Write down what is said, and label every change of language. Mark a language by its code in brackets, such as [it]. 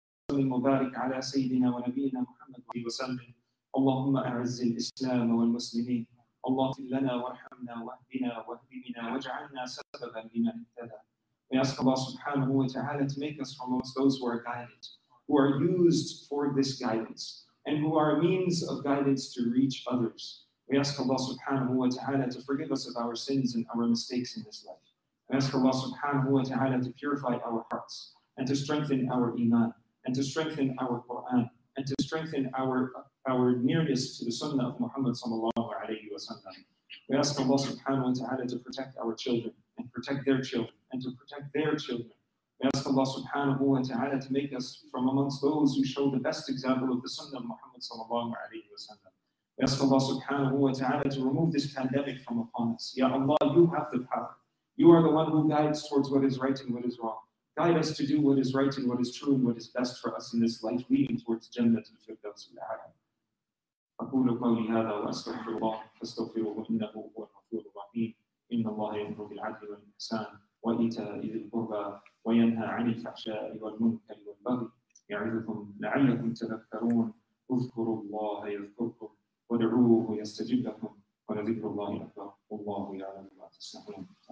[ar] المبارك على سيدنا ونبينا محمد صلى الله عليه وسلم اللهم أعز الإسلام والمسلمين اللهم اغفر لنا وارحمنا واهدنا واهد بنا واجعلنا سببا لمن اهتدى. [en] We ask Allah subhanahu wa ta'ala to make us from amongst those who are guided, who are used for this guidance, and who are a means of guidance to reach others. We ask Allah subhanahu wa ta'ala to forgive us of our sins and our mistakes in this life. We ask Allah subhanahu wa ta'ala to purify our hearts and to strengthen our iman, and to strengthen our Quran, and to strengthen our nearness to the Sunnah of Muhammad sallallahu alayhi wa sallam. We ask Allah subhanahu wa ta'ala to protect our children, and protect their children, and to protect their children. We ask Allah subhanahu wa ta'ala to make us from amongst those who show the best example of the Sunnah of Muhammad sallallahu alayhi wa sallam. We ask Allah subhanahu wa ta'ala to remove this pandemic from upon us. Ya Allah, you have the power. You are the one who guides towards what is right and what is wrong. Guide us to do what is right and what is true and what is best for us in this life, leading towards Jannah to fulfill those who are [ar] أقول قولي هذا وأستغفر الله فاستغفروه إنه هو الغفور الرحيم إن الله يأمر بالعدل والإحسان وإيتاء ذي القربى وينهى عن الفحشاء والمنكر والبغي يعظكم لعلكم تذكرون اذكروا الله يذكركم وادعوه يستجب لكم ولذكر الله أكبر والله يعلم ما تصنعون.